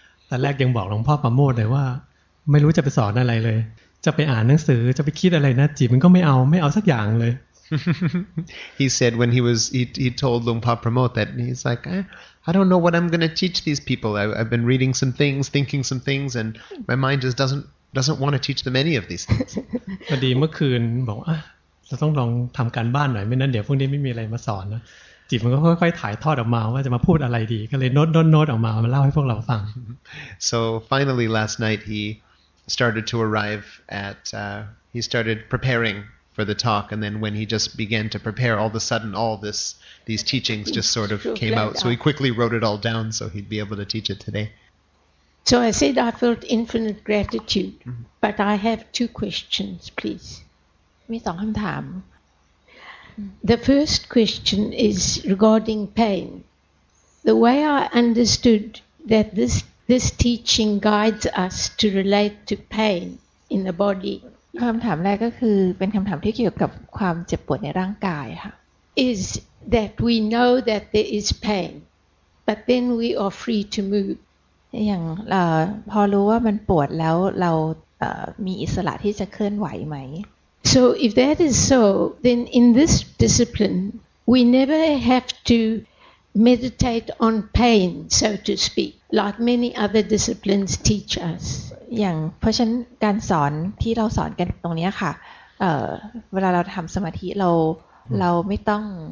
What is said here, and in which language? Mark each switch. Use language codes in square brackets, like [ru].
[th] ตอนแรกยังบอกหลวงพ่อประโมทเลยว่าไม่รู้จะไปสอนอะไรเลยจะไปอ่านหนังสือจะไปคิดอะไรนะจีมันก็ไม่เอาสักอย่างเลย [en] He said when he told หลวงพ่อประโมทแต่ he's like I don't know what I'm going to teach these people. I've been reading some things, thinking some things, and my mind just doesn't want to teach them any of these things. [th] พอดีเมื่อคืนบอกจะต้องลองทำการบ้านหน่อยไม่นั้นเดี๋ยวพรุ่งนี้ไม่มีอะไรมาสอนนะจิตมันก็ค่อยๆถ่ายทอดออกมาว่าจะมาพูดอะไรดีก็เลยโน้ตออกมามาเล่าให้พวกเราฟัง [en] So finally last night he started to arrive at he started preparing for the talk and then when he just began to prepare all of a sudden all this these teachings just sort of came out so he quickly wrote it all down so he'd be able to teach it today So I said I felt infinite gratitude but I have two questions please [th] มีสองคำถาม [en] The first question is regarding pain. The way I understood that this teaching guides us to relate to pain in the body. [th] คำถามแรกก็คือเป็นคำถามที่เกี่ยวกับความเจ็บปวดในร่างกายค่ะ [en] Is that we know that there is pain, but then we are free to move. [th] อย่างพอรู้ว่ามันปวดแล้วเรามีอิสระที่จะเคลื่อนไหวไหม [en] So if that is so, then in this discipline, we never have to meditate on pain, so to speak, like many other disciplines teach us. [th] อย่างเพราะฉะนั้นการสอนที่เราสอนกันตรงนี้ค่ะเวลาเราทำสมาธิเราไม่ต้อง